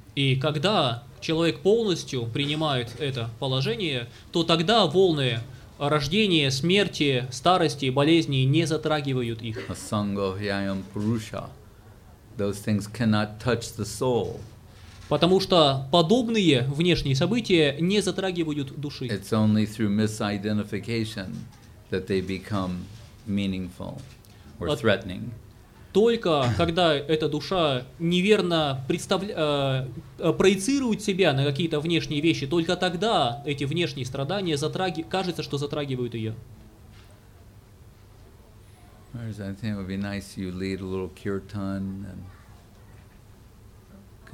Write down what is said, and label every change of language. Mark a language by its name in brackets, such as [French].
[Russian] И когда человек полностью принимает это положение, то тогда волны рождение, смерти, старости, болезни не затрагивают их. [Sanskrit] Asanga hyayam purusha. [English] Those things cannot touch the soul. [Russian] Потому что подобные внешние события не затрагивают души. [English] It's only through misidentification that they become meaningful or threatening. [Russian] Только когда эта душа неверно проецирует себя на какие-то внешние вещи, только тогда эти внешние страдания кажется, что затрагивают ее. [English] Maharaj, I think it would be nice if you lead a little kirtan and